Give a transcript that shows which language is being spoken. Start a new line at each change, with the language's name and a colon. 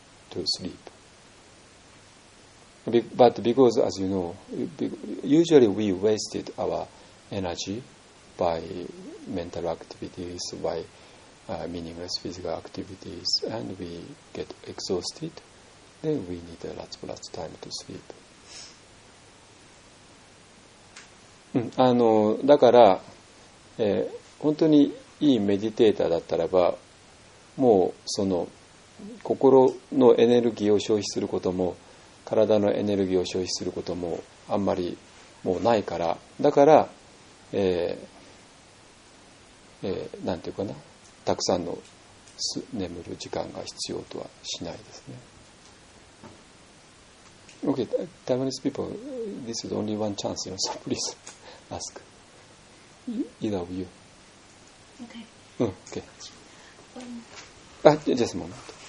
English: To sleep, but because, as you know, usually we wasted our energy by mental activities, by meaningless physical activities, and we get exhausted. Then we need a lot of time to sleep.
Japanese: うん、あのだから、本当にいいメディテーターだったらば、もうその心のエネルギーを消費することも、体のエネルギーを消費することもあんまりもうないから、だから、なんていうかな、たくさんの眠る時間が必要とはしないですね。
English: Okay, Taiwanese people, this is only one chance, you know, so please ask either of you. Okay. Okay. Just a moment.